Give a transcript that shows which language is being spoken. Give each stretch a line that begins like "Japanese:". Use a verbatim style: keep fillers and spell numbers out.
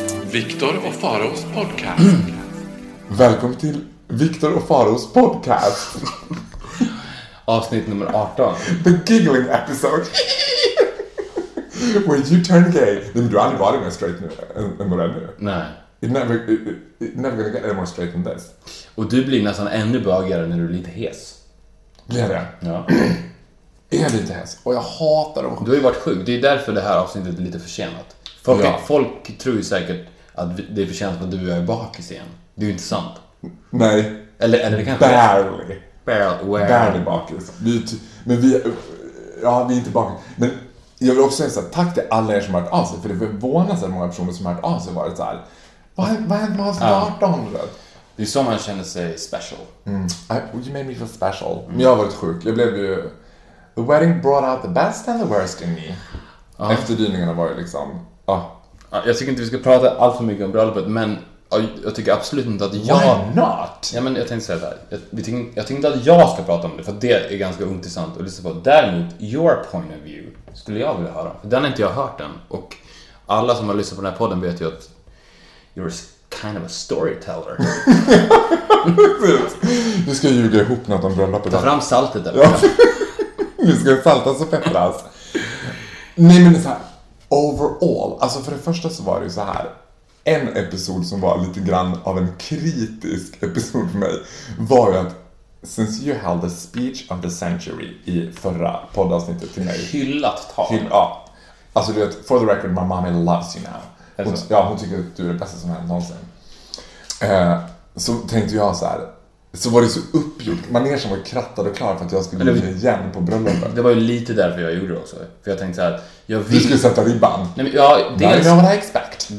Swedish: Victor och Faros podcast. Mm. Välkommen till Victor och Faros podcast. Avsnitt nummer arton.
English: The giggling episode. When you turn gay.
Swedish: Men du har aldrig varit mer straight nu än vad det är nu. Nej.
English: It never, it, it never gonna get any more straight than this.
Swedish: Och du blir nästan ännu bögigare när du är lite hes. Blir det? Ja. Jag är lite hes. Och jag hatar dem. Du har ju varit sjuk. Det är därför det här avsnittet är lite försenat. Folk, ja. folk tror ju säkert att det är förtjänst att du är bakis igen. Det är ju inte sant. Nej. Eller, eller det kanske
English: barely. Barely.
Swedish: Barely bakis. Vi, men vi, ja, vi är inte bakis. Men jag vill också säga så här, tack till alla er som har hört av sig. För det förvånas att många personer som har hört av sig varit så här. Vad hände med oss arton? Det är så man känner sig special.
English: Mm. I, you made me feel special.
Swedish: Mm. Men jag har varit sjuk. Jag blev ju...
English: The wedding brought out the best and the worst in me.
Swedish: Ah. Efterdyningarna var ju liksom... Ah. Jag tycker inte vi ska prata allt för mycket om bröllopet, men jag tycker absolut inte att jag...
English: Why not?
Swedish: Ja, men jag tänkte säga det här. Jag, jag, tänkte, jag tänkte att jag ska prata om det, för det är ganska intressant att lyssna på. Däremot,
English: your point of view
Swedish: skulle jag vilja höra. För den har inte jag hört än. Och alla som har lyssnat på den här podden vet ju att
English: you're kind of a storyteller.
Swedish: Du ska ljuga ihop något om bröllopet. Ta fram saltet där. Ja. Nu ska saltas och peppras. Nej, men så här... Overall, alltså för det första så var det ju så här. En episod som var lite grann av en kritisk episod för mig var ju att
English: since you held the speech of the century
Swedish: i förra poddavsnittet till mig. Hyllat tal. Hyll, ja. Alltså du vet,
English: for the record, my mommy loves you now.
Swedish: Hon, ja, hon tycker att du är det bästa som hänt någonsin. Eh, så tänkte jag så här. Så var det så uppgjort. Manegen var krattad och klar för att jag skulle bli igen på bröllopet. Det var ju lite därför jag gjorde det också. För jag tänkte så här, jag vill... Du skulle sätta ribban. Nej, men jag, dels,
English: no, expect.